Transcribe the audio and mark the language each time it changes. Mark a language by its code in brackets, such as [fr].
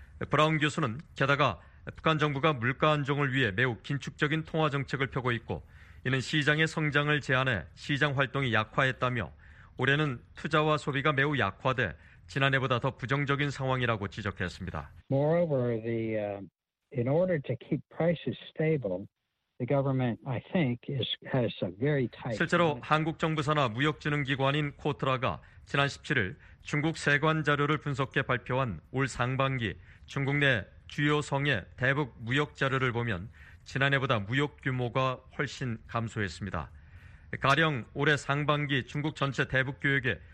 [ko] 브라운 교수는 게다가 북한 정부가 물가 안정을 위해 매우 긴축적인 통화 정책을 펴고 있고 이는 시장의 성장을 제한해 시장 활동이 약화했다며 올해는 투자와 소비가 매우 약화돼 지난해보다 더 부정적인 상황이라고 지적했습니다. [en] Moreover, in order to keep prices stable, the government, I think, has a very tight. [ko] 실제로 한국 정부 산하 무역지능기관인 코트라가 지난 17일 중국 세관 자료를 분석해 발표한 올 상반기 중국 내 주요 성의 대북 무역 자료를 보면 지난해보다 무역 규모가 훨씬 감소했습니다. 가령 올해 상반기 중국 전체 대북 교역의